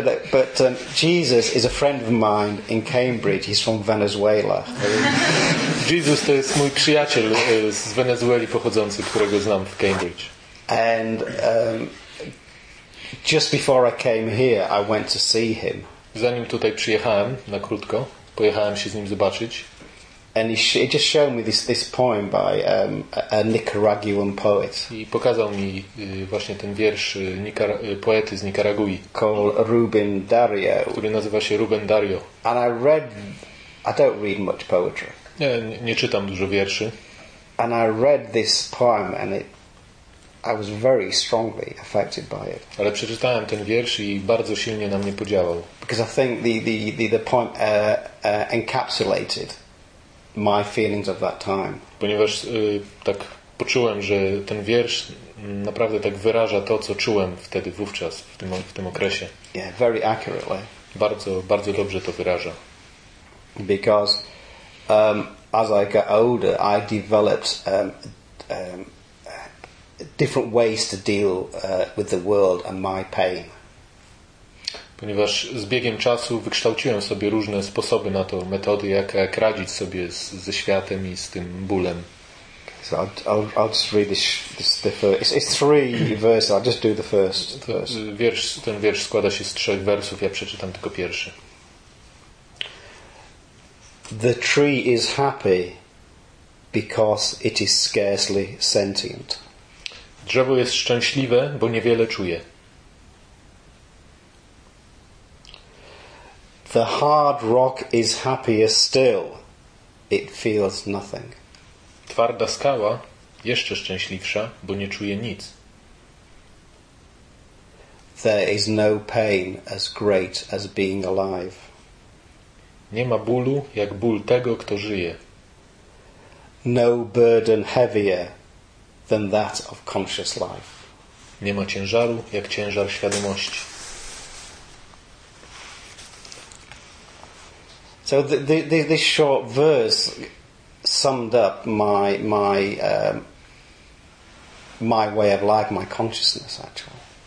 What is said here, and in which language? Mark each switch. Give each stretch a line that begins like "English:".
English: But Jesus is a friend of mine in Cambridge. He's from Venezuela.
Polish: Jesus to jest mój przyjaciel z Wenezueli pochodzący, którego znam w Cambridge.
English: And just before I came here, I went to see him.
Polish: Zanim tutaj przyjechałem na krótko, pojechałem się z nim zobaczyć.
English: And he just showed me this poem by a Nicaraguan poet.
Polish: I pokazał mi właśnie ten wiersz poety z Nikaragui.
English: Called Ruben Dario.
Polish: Który nazywa się Ruben Dario.
English: And I don't read much poetry.
Polish: Nie czytam dużo wierszy.
English: And I read this poem and I was very strongly affected by it.
Polish: Ale przeczytałem ten wiersz i bardzo silnie na mnie podziałał.
English: Because I think the poem encapsulated my feelings of that time.
Polish: Ponieważ tak poczułem, że ten wiersz naprawdę tak wyraża to, co czułem wtedy wówczas w tym okresie.
English: Yeah, very accurately.
Polish: Bardzo, bardzo dobrze to wyraża.
English: Because as I got older, I developed different ways to deal with the world and my pain.
Polish: Ponieważ z biegiem czasu wykształciłem sobie różne sposoby na to, metody, jak radzić sobie ze światem i z tym bólem.
English: So I'll just read this the first. It's three verses. I'll just do the first.
Polish: Ten wiersz składa się z trzech wersów. Ja przeczytam tylko pierwszy.
English: The tree is happy because it is scarcely sentient.
Polish: Drzewo jest szczęśliwe, bo niewiele czuje.
English: The hard rock is happier still. It feels nothing.
Polish: Twarda skała jeszcze szczęśliwsza, bo nie czuje nic.
English: There is no pain as great as being alive.
Polish: Nie ma bólu jak ból tego, kto żyje.
English: No burden heavier than that of conscious life.
Polish: Nie ma ciężaru jak ciężar świadomości.
English: So this short verse summed up my way of life, my consciousness actually.